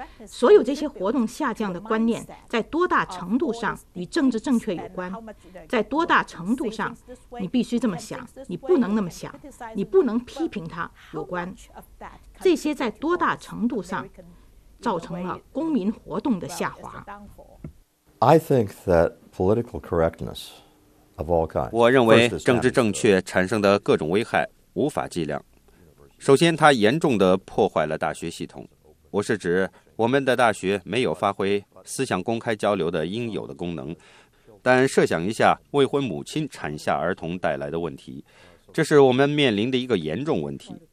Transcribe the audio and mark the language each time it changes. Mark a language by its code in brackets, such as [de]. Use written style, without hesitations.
[zh] 所有这些活动下降的观念在多大程度上与政治正确有关？在多大程度上你必须这么想，你不能那么想，你不能批评它有关？这些在多大程度上造成了公民活动的下滑？ [en] I think that political correctness of all kinds. [zh] 我认为政治正确产生的各种危害无法计量。首先，它严重地破坏了大学系统。我是指我们的大学没有发挥思想公开交流的应有的功能。但设想一下未婚母亲产下儿童带来的问题，这是我们面临的一个严重问题。